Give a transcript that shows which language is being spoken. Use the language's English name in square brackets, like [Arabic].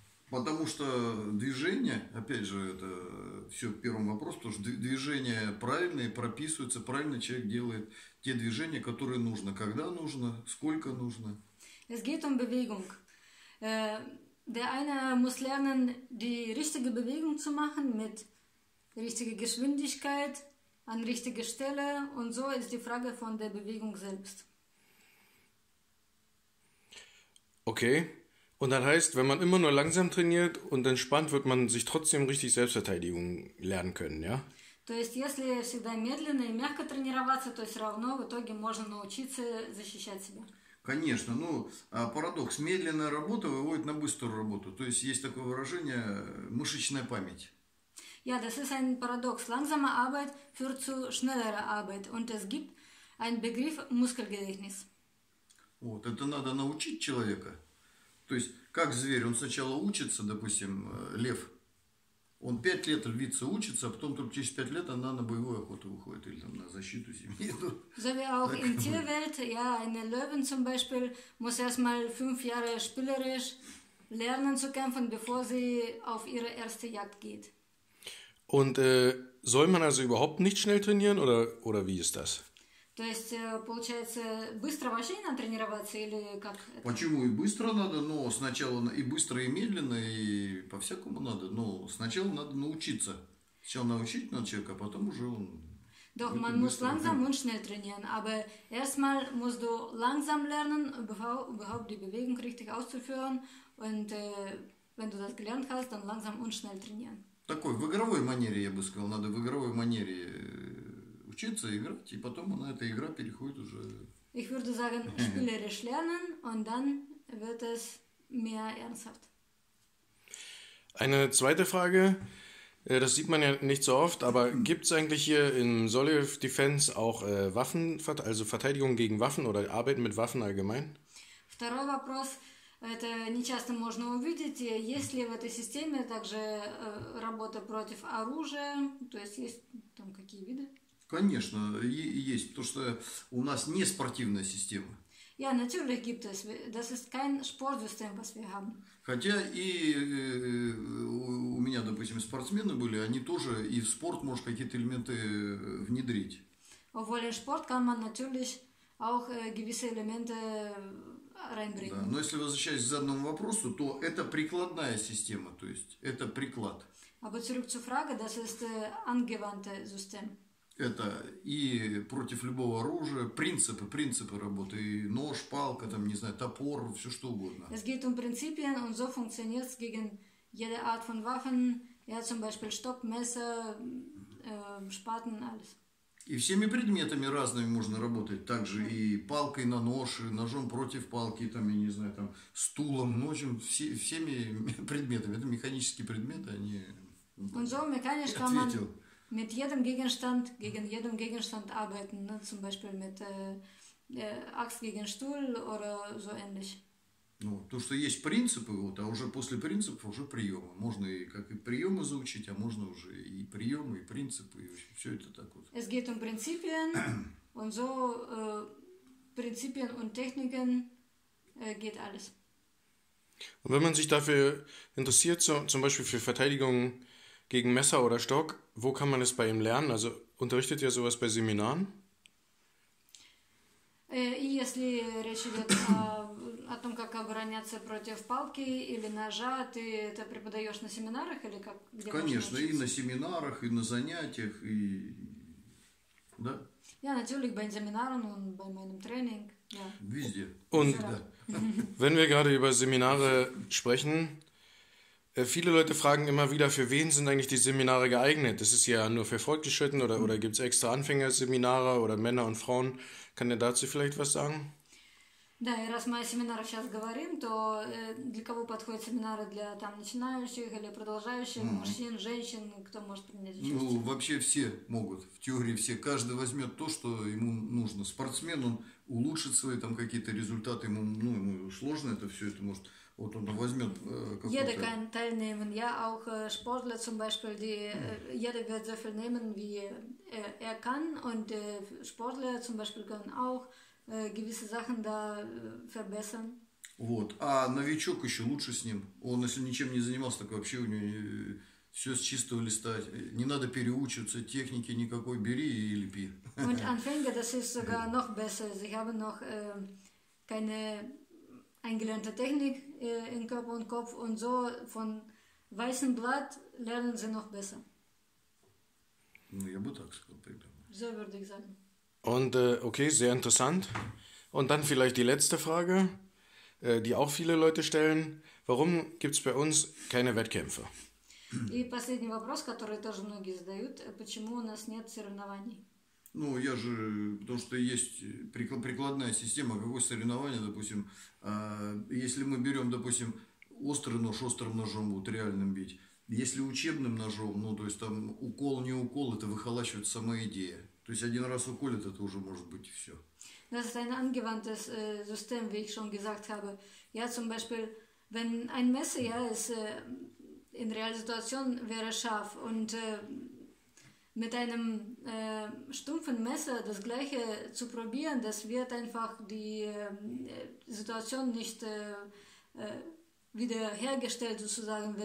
[Russian] Потому что движение, опять же, это все первый вопрос, потому что движение правильное, прописывается правильно, человек делает те движения, которые нужно, когда нужно, сколько нужно. [German] Es geht um Bewegung. Der eine muss lernen, die richtige Bewegung zu machen mit richtiger Geschwindigkeit. An richtige Stelle und so ist die Frage von der Bewegung selbst. Okay. Und dann heißt, wenn man immer nur langsam trainiert und entspannt, wird man sich trotzdem richtig Selbstverteidigung lernen können, ja? [Russian] То есть, если всегда медленно и мягко тренироваться, то все равно в итоге можно научиться защищать себя. Конечно, ну, парадокс. Медленная работа выводит на быструю работу. То есть есть такое выражение «мышечная память». [German] Ja, das ist ein Paradox. Langsame Arbeit führt zu schnellerer Arbeit. Und es gibt einen Begriff Muskelgedächtnis. [Russian] Вот, это надо научить человека. То есть, как зверь, он сначала учится, допустим, лев, он 5 лет львица учится, а потом только через 5 лет она на боевую охоту выходит или там на защиту семьи. [German] So wie auch in Tierwelt, ja, eine Löwin zum Beispiel muss erstmal 5 Jahre spielerisch lernen zu kämpfen, bevor sie auf ihre erste Jagd geht. Und soll man also überhaupt nicht schnell trainieren oder wie ist das? [Russian] То есть, получается, быстро вообще не надо тренироваться или как это? Почему и быстро надо, но сначала и быстро, и медленно, и по-всякому надо, но сначала надо научиться. Сначала научить надо человека, а потом уже он [German] Doch, [Russian] будет [German] man muss [Russian] быстро [German] langsam [Russian] делать. [German] und schnell trainieren, aber erstmal musst du langsam lernen, überhaupt die Bewegung richtig auszuführen und wenn du das gelernt hast, dann langsam und schnell trainieren. [Russian] Такой, в игровой манере, я бы сказал, надо в игровой манере учиться, играть, и потом она, эта игра переходит уже. [German] Ich würde sagen, spielerisch lernen und dann wird es mehr ernsthaft. Eine zweite Frage, das sieht man ja nicht so oft, aber gibt es eigentlich hier in Solev Defense auch Waffen, also Verteidigung gegen Waffen oder Arbeiten mit Waffen allgemein? [Russian] Вопрос. Это нечасто можно увидеть. Есть ли в этой системе также работа против оружия? То есть там какие виды? Конечно, есть, потому что у нас не спортивная система. [German] Ja, natürlich gibt es. Das ist kein Sportsystem, was wir haben. [Russian] Хотя и у меня, допустим, спортсмены были, они тоже и в спорт можешь какие-то элементы внедрить. [German] Obwohl in Sport kann man natürlich auch gewisse Elemente [Russian] Да, но [German] reinbringen. [Russian] если возвращаясь к заданному вопросу, то это прикладная система, то есть это приклад. [German] Aber zurück zur Frage, das ist angewandte System. [Russian] Это и против любого оружия, принципы работы, и нож, палка, там, не знаю, топор, все что угодно. [German] Es geht um Prinzipien und so funktioniert es gegen jede Art von Waffen, ja zum Beispiel Stock, Messer, Spaten, alles. [Russian] И всеми предметами разными можно работать, также и палкой на нож, и ножом против палки, там, я не знаю, там, стулом, ножом, всеми предметами. Это механические предметы, они, [German] Und [Russian] да, [German] so mechanisch [Russian] я [German] kann man [Russian] ответил. [German] mit jedem Gegenstand, gegen jedem Gegenstand arbeiten, ne? Zum Beispiel mit Axt gegen Stuhl oder so ähnlich. [Russian] Ну, то, что есть принципы, вот, а уже после принципов уже приемы. Можно и как и приемы заучить, а можно уже и приемы, и принципы, и вообще все это так вот. [German] Es geht um Prinzipien und so Prinzipien und Techniken geht alles. Und wenn man sich dafür interessiert, zum Beispiel für Verteidigung gegen Messer oder Stock, wo kann man es bei ihm lernen? Also unterrichtet ihr sowas bei Seminaren? [Russian] И если речь идет о том, как обороняться против палки или ножа, ты это преподаешь на семинарах или как, где можно Конечно, и на учиться? семинарах, и на занятиях, и да. [German] Ja, natürlich bei den Seminaren und bei meinem Training, ja, [Russian] Везде, [German] überall. [Russian] всегда. [German] Wenn wir gerade über Seminare sprechen, viele Leute fragen immer wieder, für wen sind eigentlich die Seminare geeignet? Ist es ja nur für Fortgeschrittene oder gibt es extra Anfängerseminare oder Männer und Frauen? Kann der dazu vielleicht was sagen? [Russian] Да, и раз мы о семинарах сейчас говорим, то для кого подходят семинары, для там начинающих или продолжающих, угу. мужчин, женщин, кто может принять участие? Ну, вообще все могут, в теории все, каждый возьмет то, что ему нужно. Спортсмен, он улучшит свои там какие-то результаты, ему, ну, ему сложно это все, это может, вот он возьмет какую-то... [German] Jeder kann teilnehmen, ja auch Sportler zum Beispiel, die, jeder wird so viel nehmen, wie er kann, und Sportler zum Beispiel können auch gewisse Sachen da verbessern. [Russian] Вот. А новичок еще лучше с ним. Он, если ничем не занимался, так вообще у него все с чистого листа. Не надо переучиваться, техники никакой, бери и лепи. [German] Und Anfänger, das ist sogar noch besser. Sie haben noch keine eingelernte Technik in Körper und Kopf, und so von weißem Blatt lernen sie noch besser. [Russian] Ну, я бы так сказал, примерно. [German] So würde ich sagen. Und okay, sehr interessant. Und dann vielleicht die letzte Frage, die auch viele Leute stellen. Warum gibt es bei uns keine Wettkämpfe? [Russian] И последний вопрос, который тоже многие задают, почему у нас нет соревнований? Ну, я же, потому что есть прикладная система, какое соревнование, допустим, если мы берем, допустим, острый нож острым ножом, вот реальным бить, если учебным ножом, ну, то есть там укол, не укол, это выхолачивает сама идея. То есть один раз уколет, это уже может быть и все. [German] Das ist ein angewandtes System, wie ich schon gesagt habe. Ja, zum Beispiel, wenn ein Messer, ja, ist in realer Situation wäre scharf, und mit einem stumpfen Messer das Gleiche zu probieren, das wird einfach die Situation nicht wiederhergestellt, sozusagen.